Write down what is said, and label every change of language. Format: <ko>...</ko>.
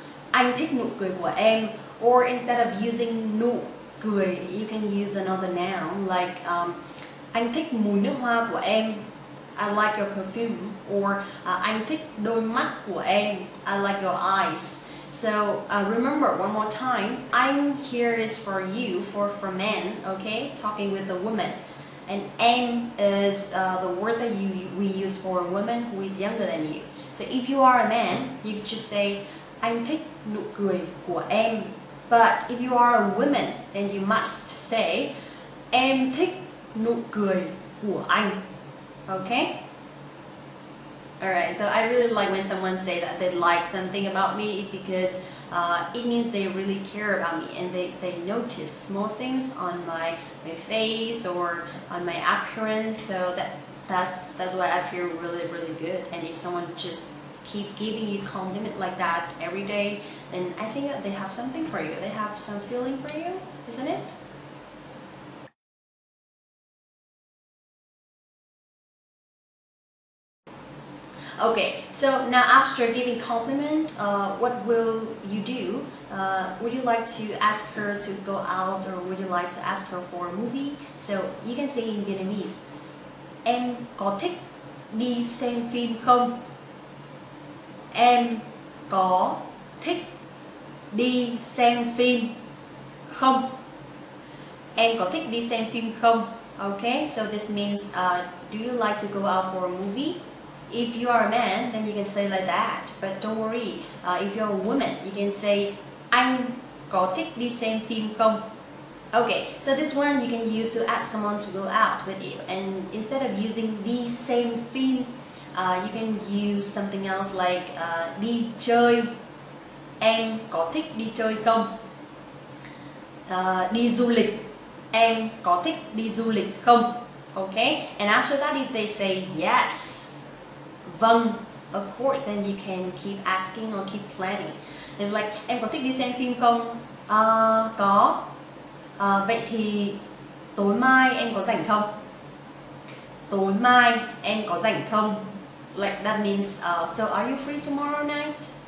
<vi>Anh thích nụ cười của em.</vi> <en>Or instead of using</en> <vi>nụ cười,</vi> <en>you can use another noun like</en> <vi>anh thích mùi nước hoa của em,</vi> <en>I like your perfume, or</en> <vi>anh thích đôi mắt của em,</vi> <en>I like your eyes. So remember one more time, anh here is for you, for men, okay, talking with a woman. And em is the word that we use for a woman who is younger than you. So if you are a man, you can just say</en> <vi>anh thích nụ cười của em.</vi> <en>But if you are a woman, then you must say</en> <vi>em thích nụ cười của anh.</vi> <en>Okay? Alright, so I really like when someone say that they like something about me because it means they really care about me and they notice small things on my face or on my appearance. So that's why I feel really, really good. And if someone just keep giving you compliment like that every day, then I think that they have something for you. They have some feeling for you, isn't it? Okay, so now after giving compliment, what will you do? Would you like to ask her to go out, or would you like to ask her for a movie? So you can say in Vietnamese,</en> <vi>em có thích đi xem phim không? Em có thích đi xem phim không? Em có thích đi xem phim không?</vi> <en>Okay, so this means, do you like to go out for a movie? If you are a man, then you can say like that. But don't worry, if you're a woman, you can say</en> <vi>anh có thích đi xem phim không?</vi> <en>Okay, so this one you can use to ask someone to go out with you. And instead of using</en> <vi>đi xem phim,</vi> <en>you can use something else like</en> <vi>đi chơi. Em có thích đi chơi không? Đi du lịch. Em có thích đi du lịch không?</vi> <en>Okay, and after that, if they say yes,</en> <vi>vâng,</vi> <en>of course, then you can keep asking or keep planning.</en> <vi>It's like, em có thích đi xem phim không? Có. Vậy thì tối mai em có rảnh không? Tối mai em có rảnh không?</vi> <en>Like, that means, so are you free tomorrow night?</en>